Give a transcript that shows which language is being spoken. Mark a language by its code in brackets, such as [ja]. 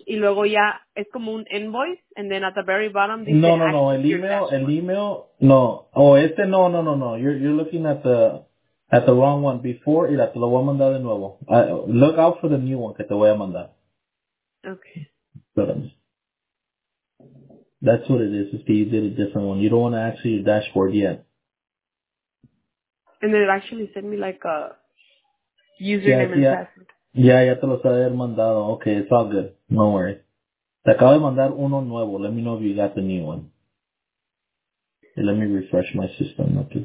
[es] Y luego ya es como un invoice. [en] And then at the very bottom, [es] dice, No. El email, no. Oh, este, no. [en] You're looking at the wrong one before. [es] Y la te lo voy a mandar de nuevo. [en] Look out for the new one [es] que te voy a mandar. [en] Okay. That's what it is. It's because you did a different one. You don't want to access your dashboard yet. And then it actually sent me like a username and password. Yeah, [es] ya te lo había mandado. [en] Okay, it's all good. No worry. [es] Te acabo de mandar uno nuevo. [en] Let me know if you got the new one. Hey, let me refresh my system.